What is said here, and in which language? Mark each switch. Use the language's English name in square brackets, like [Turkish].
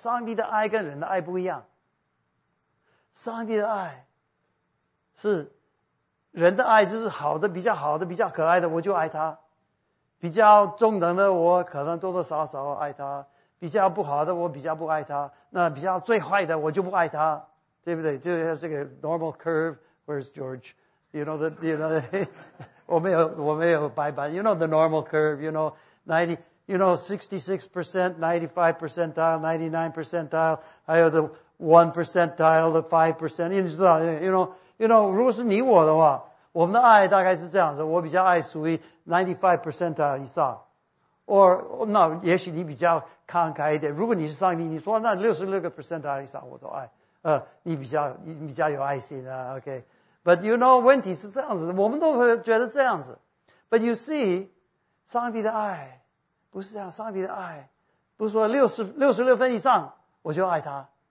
[Chinese] 上帝的爱跟人的爱不一样，上帝的爱是。人的爱就是好的，比较好的，比较可爱的，我就爱他；比较中等的，我可能多多少少爱他；比较不好的，我比较不爱他；那比较最坏的，我就不爱他。对不对？就像这个 [English] normal curve, where's George? You know, the, you know, [Chinese] 我没有白板。 [English] You know the normal curve, you know, 90, you know, 66%, 95 percentile, 99 percentile, [Chinese] 还有 [English] the 1 percentile, the 5 percent, you know, [Chinese] 如果是你我的话，我们的爱大概是这样子，我比较爱属于95 percentile 以上。 Or, 那也许你比较慷慨一点。如果你是上帝，你说那66个 percentile 以上我都爱。你比较有爱心啊 ,okay. But you know, 问题是这样子，我们都会觉得这样子。 But you see, 上帝的爱不是这样，上帝的爱不是说66分以上我就爱他。